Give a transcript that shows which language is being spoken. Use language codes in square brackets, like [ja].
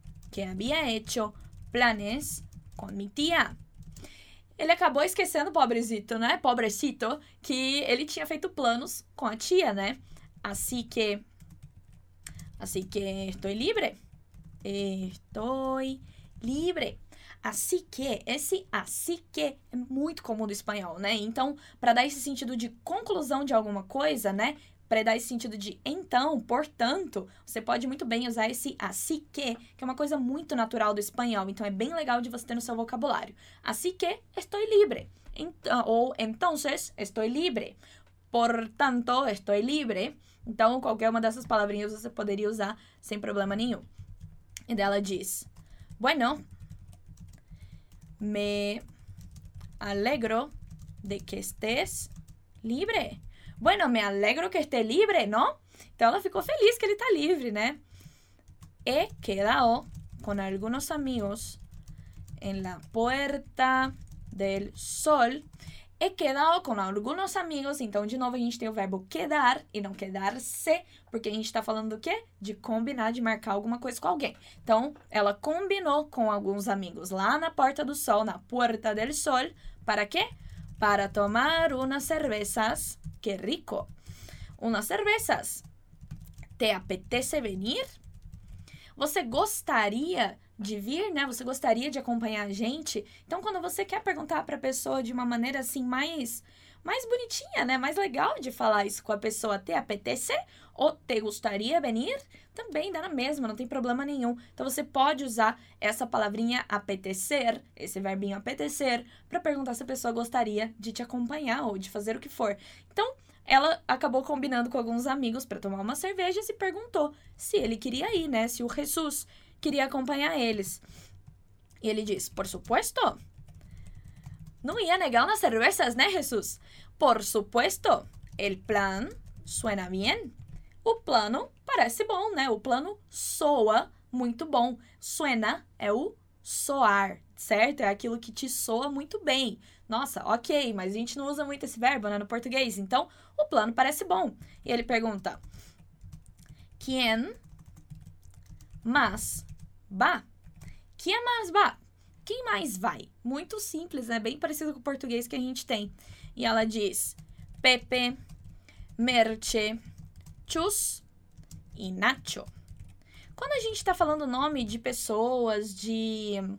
[es] Que había hecho planes con mi tía. [pt] Ele acabou esquecendo, pobrecito, né? Pobrecito, que ele tinha feito planos com a tia, né? [es] Así que estoy libre. Estoy libre. Así que, [pt] esse así que é muito comum do espanhol, né? Então, para dar esse sentido de conclusão de alguma coisa, né? Para dar esse sentido de então, portanto, você pode muito bem usar esse así que é uma coisa muito natural do espanhol. Então, é bem legal de você ter no seu vocabulário. [es] Así que, estoy libre. Ou, entonces, estoy libre. Portanto, estoy libre. [pt] Então, qualquer uma dessas palavrinhas você poderia usar sem problema nenhum. E dela diz, [es] bueno, me alegro de que estés libre. Bueno, me alegro que esté libre, ¿no? [pt] Então, ela ficou feliz que ele está livre, né? [es] He quedado con algunos amigos en la Puerta del Sol. He quedado con algunos amigos. [pt] Então, de novo, a gente tem o verbo quedar e não quedar-se, porque a gente está falando do quê? De combinar, de marcar alguma coisa com alguém. Então, ela combinou com alguns amigos lá na Porta do Sol, na Puerta del Sol. Para quê? [es] Para tomar unas cervezas. Que rico! Unas cervezas. ¿Te apetece venir? [pt] Você gostaria de vir, né? Você gostaria de acompanhar a gente? Então, quando você quer perguntar para a pessoa de uma maneira, assim, mais bonitinha, né? Mais legal de falar isso com a pessoa, [es] te apetece [pt] ou te gostaria venir? Também dá na mesma, não tem problema nenhum. Então, você pode usar essa palavrinha apetecer, esse verbinho apetecer, para perguntar se a pessoa gostaria de te acompanhar ou de fazer o que for. Então, ela acabou combinando com alguns amigos para tomar uma cerveja e se perguntou se ele queria ir, né? Se o Jesus queria acompanhar eles. E ele diz, [es] por supuesto, [pt] No ia negar [es] unas cervezas, ¿no, Jesús? Por supuesto, el plan suena bien. [pt] O plano parece bom, né? O plano soa muito bom. Suena é o soar, certo? É aquilo que te soa muito bem. Nossa, ok, mas a gente não usa muito esse verbo, né, no português. Então, o plano parece bom. E ele pergunta, [es] ¿quién más va? ¿Quién más va? [pt] Quem mais vai? Muito simples, né? Bem parecido com o português que a gente tem. E ela diz, Pepe, Merche, Chus e Nacho. Quando a gente tá falando o nome de pessoas, de...